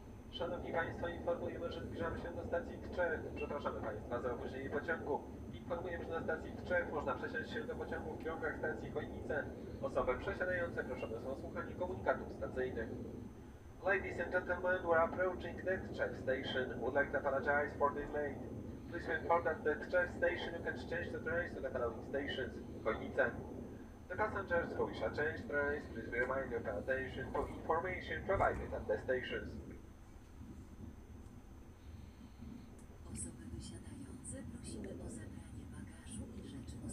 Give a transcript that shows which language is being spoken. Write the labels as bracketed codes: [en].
[pl] Szanowni Państwo, informujemy, że zbliżamy się do stacji Tczew. Przepraszamy Państwa za opóźnienie pociągu. Informujemy, że na stacji Tczew można przesiąść się do pociągu w kierunkach stacji Chojnice. Osoby przesiadające proszę o słuchanie komunikatów stacyjnych. [en] Ladies and gentlemen, we are approaching the Tczew station. Would like to apologize for the late. Please be informed that the Tczew station you can change the trains to the following stations. Chojnice. The passengers who wish to change trains, please be reminded of attention to information provided at the stations. [pl] Osoby wysiadające prosimy o zabranie bagażu i rzeczy.